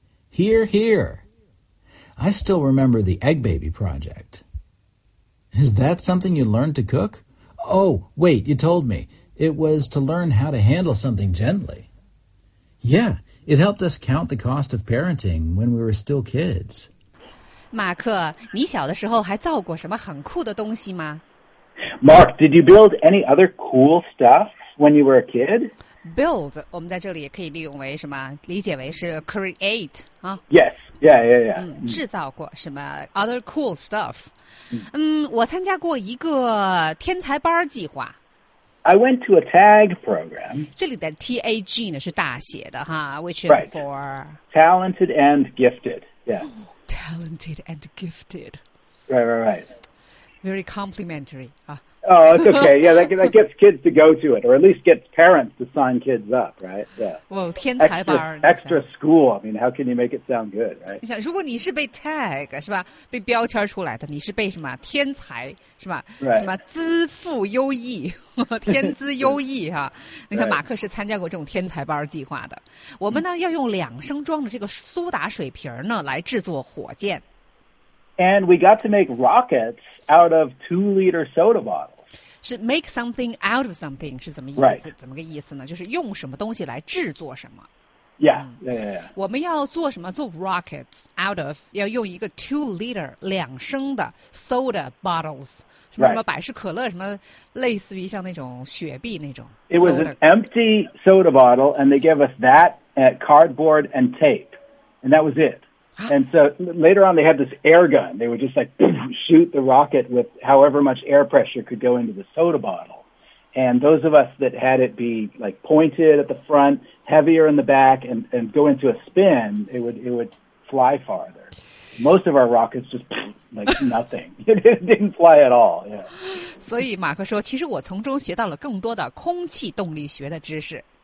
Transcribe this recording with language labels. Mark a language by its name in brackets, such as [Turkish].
[English] Hear, hear. I still remember the Egg Baby Project. Is that something you learned to cook? Oh, wait, you told me. It was to learn how to handle something gently. Yeah, it helped us count the cost of parenting when we were still kids. [Chinese] 马克，你小的时候还造过什么很酷的东西吗？ [English] Mark, did you build any other cool stuff when you were a kid? [Chinese] Build, 我们在这里也可以利用为什么，理解为是 create, 啊。 [English] Yes. Yeah. [Chinese] 制造过什么 [English] other cool stuff? [Chinese] 我参加过一个天才班计划。 [English] I went to a tag program. [Chinese] 这里的 TAG 呢是大写的哈 , [English] which is right. for... Talented and gifted, yeah. Talented and gifted. Right. Very complimentary. Oh, it's okay. Yeah, that gets kids to go to it, or at least gets parents to sign kids up, right? Yeah. [Chinese] Well, 天才班 [English] extra school. I mean, how can you make it sound good, right? [Chinese] 你想，如果你是被 tag 是吧，被标签出来的，你是被什么天才是吧？ [English] Right. [Chinese] 什么资富优异，天资优异哈、啊？你看，马克是参加过这种天才班计划的。我们呢，要用2升装的这个苏打水瓶呢，来制作火箭。 [English] And we got to make rockets out of 2-liter soda bottles. [Chinese] 是 [English] make something out of something [Chinese] 是怎么意思？ [English] Right. [Chinese] 怎么个意思呢？就是用什么东西来制作什么。 [English] Yeah. [Chinese] 我们要做什么？做 [English] rockets out of [Chinese] 要用一个 2-liter 2升的 soda bottles 什么什么百事可乐、 [English] right. [Chinese] 什么类似于像那种雪碧那种。 [English] It was an empty soda bottle, and they gave us that at cardboard and tape, and that was it. And so later on, they had this air gun. They would just like shoot the rocket with however much air pressure could go into the soda bottle. And those of us that had it be like pointed at the front, heavier in the back, and go into a spin, it would fly farther. Most of our rockets just like nothing. It didn't fly at all. Yeah. [Chinese] 所以马克说，其实我从中学到了更多的空气动力学的知识。